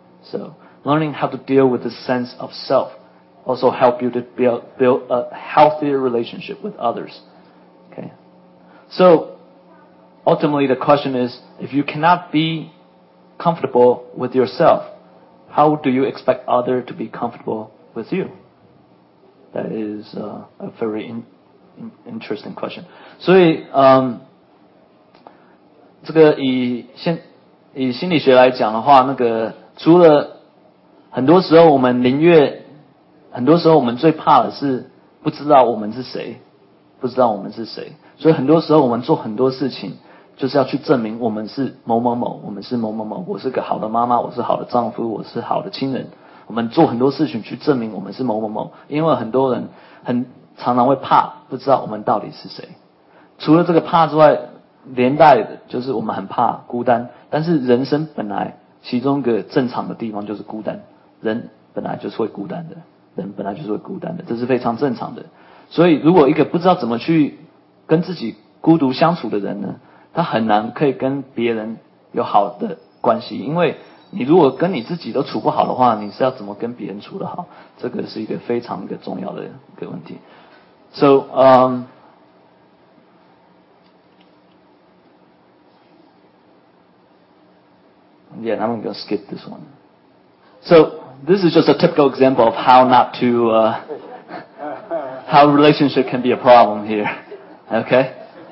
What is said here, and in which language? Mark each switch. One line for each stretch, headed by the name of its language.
English: So learning how to deal with the sense of self also help you to build a healthier relationship with others. Okay. So ultimately the question is, if you cannot be comfortable with yourself, how do you expect others to be comfortable with you? That is a very interesting question.
Chinese: 所以这个以心理学来讲的话，那个除了很多时候我们宁愿很多时候我们最怕的是不知道我们是谁，不知道我们是谁。所以很多时候我们做很多事情，就是要去证明我们是某某某，我们是某某某，我是个好的妈妈，我是好的丈夫，我是好的亲人。我们做很多事情去证明我们是某某某，因为很多人很常常会怕，不知道我们到底是谁。除了这个怕之外，连带的就是我们很怕孤单。但是人生本来其中一个正常的地方就是孤单，人本来就是会孤单的，人本来就是会孤单的，这是非常正常的。所以如果一个不知道怎么去跟自己孤独相处的人呢，他很难可以跟别人有好的关系，因为你如果跟你自己都处不好的话，你是要怎么跟别人处得好？这个是一个非常一个重要的一个问题。
English: So, yeah, I'm going to skip this one. So, this is just a typical example of how not to, how relationship can be a problem here. Okay?